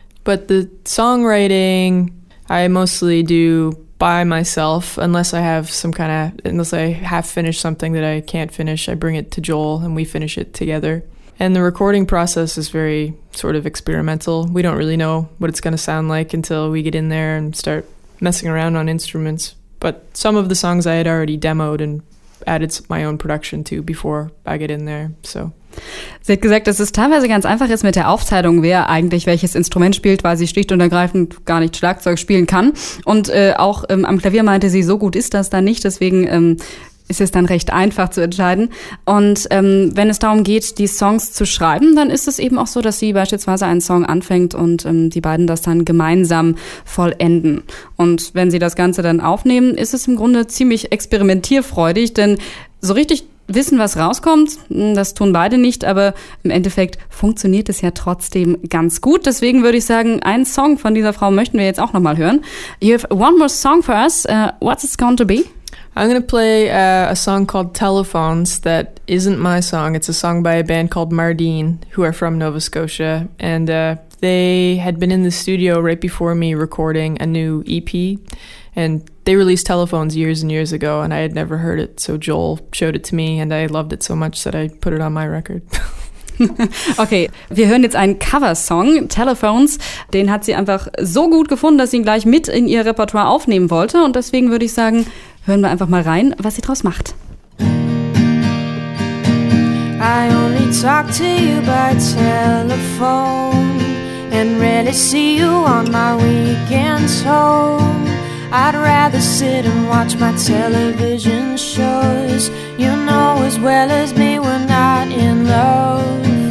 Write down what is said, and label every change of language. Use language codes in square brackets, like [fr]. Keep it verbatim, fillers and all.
[en] But the songwriting, I mostly do by myself, unless I have some kind of, unless I have finished something that I can't finish, I bring it to Joel and we finish it together. And the recording process is very sort of experimental. We don't really know what it's going to sound like until we get in there and start messing around on instruments. But some of the songs I had already demoed and added my own production to before I get in there, so. [de] Sie hat gesagt, dass es teilweise ganz einfach ist mit der Aufteilung, wer eigentlich welches Instrument spielt, weil sie schlicht und ergreifend gar nicht Schlagzeug spielen kann. Und äh, auch ähm, am Klavier meinte sie, so gut ist das dann nicht, deswegen ähm, ist es dann recht einfach zu entscheiden. Und ähm, wenn es darum geht, die Songs zu schreiben, dann ist es eben auch so, dass sie beispielsweise einen Song anfängt und ähm, die beiden das dann gemeinsam vollenden. Und wenn sie das Ganze dann aufnehmen, ist es im Grunde ziemlich experimentierfreudig, denn so richtig wissen, was rauskommt, das tun beide nicht, aber im Endeffekt funktioniert es ja trotzdem ganz gut. Deswegen würde ich sagen, einen Song von dieser Frau möchten wir jetzt auch nochmal hören. [en] You have one more song for us. Uh, what's it going to be? I'm going to play uh, a song called Telephones that isn't my song. It's a song by a band called Mardine, who are from Nova Scotia. And uh, they had been in the studio right before me recording a new E P. And they released Telephones years and years ago, and I had never heard it. So Joel showed it to me, and I loved it so much that I put it on my record. [de] Okay, wir hören jetzt einen Cover-Song, Telephones. Den hat sie einfach so gut gefunden, dass sie ihn gleich mit in ihr Repertoire aufnehmen wollte. Und deswegen würde ich sagen, hören wir einfach mal rein, was sie draus macht. [en] I only talk to you by telephone and rarely see you on my weekends home. I'd rather sit and watch my television shows. You know as well as me we're not in love.